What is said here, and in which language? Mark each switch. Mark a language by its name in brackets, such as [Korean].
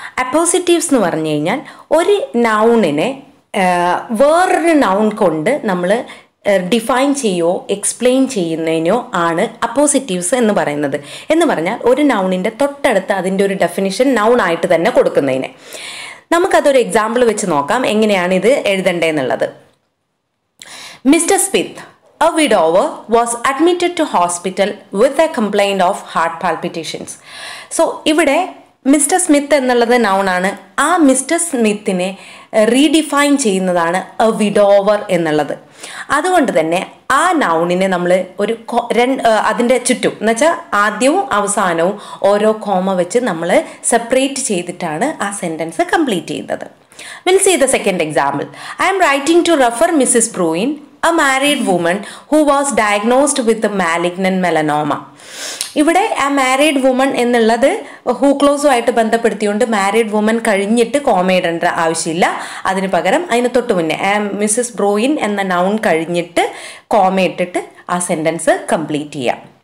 [Malayalam] അപ്പോസിറ്റീവ്സ് എന്ന് പറഞ്ഞു കഴിഞ്ഞാൽ ഒരു നൗണിനെ വേറൊരു നൗൺ കൊണ്ട് നമ്മൾ ഡിഫൈൻ ചെയ്യുകയോ എക്സ്പ്ലെയിൻ ചെയ്യുന്നതിനോ ആണ് അപ്പോസിറ്റീവ്സ് എന്ന് പറയുന്നത്. എന്ന് പറഞ്ഞാൽ ഒരു നൗണിൻ്റെ തൊട്ടടുത്ത് അതിൻ്റെ ഒരു ഡെഫിനിഷൻ നൗണായിട്ട് തന്നെ കൊടുക്കുന്നതിനെ. നമുക്കതൊരു എക്സാമ്പിൾ വെച്ച് നോക്കാം എങ്ങനെയാണ് ഇത് എഴുതേണ്ടതെന്നുള്ളത്. [English] Mister Smith, A widower was admitted to hospital with a complaint of heart palpitations. [Malayalam] So, ഇവിടെ മിസ്റ്റർ സ്മിത്ത് എന്നുള്ളത് നൗൺ ആണ്. ആ മിസ്റ്റർ സ്മിത്തിനെ റീഡിഫൈൻ ചെയ്യുന്നതാണ് എ വിഡോവർ എന്നുള്ളത്. അതുകൊണ്ട് തന്നെ ആ നൗണിനെ നമ്മൾ ഒരു അതിൻ്റെ ചുറ്റും, എന്നുവെച്ചാൽ ആദ്യവും അവസാനവും ഓരോ കോമ വെച്ച് നമ്മൾ സെപ്പറേറ്റ് ചെയ്തിട്ടാണ് ആ സെൻറ്റൻസ് കംപ്ലീറ്റ് ചെയ്യുന്നത്. [English] We'll see the second example. I am writing to refer Mrs. Bruin, a married woman who was diagnosed with a malignant melanoma. [Malayalam] ഇവിടെ ആ മാരീഡ് വുമൺ എന്നുള്ളത് ഹൂ ക്ലോസുമായിട്ട് ബന്ധപ്പെടുത്തിയുകൊണ്ട് മാരീഡ് വുമൺ കഴിഞ്ഞിട്ട് കോമയിടേണ്ട ആവശ്യമില്ല. അതിന് പകരം അതിന് തൊട്ട് മുന്നേ മിസ്സസ് ബ്രൂയിൻ എന്ന നൗൺ കഴിഞ്ഞിട്ട് കോമയിട്ടിട്ട് ആ സെൻറ്റൻസ് കംപ്ലീറ്റ് ചെയ്യാം.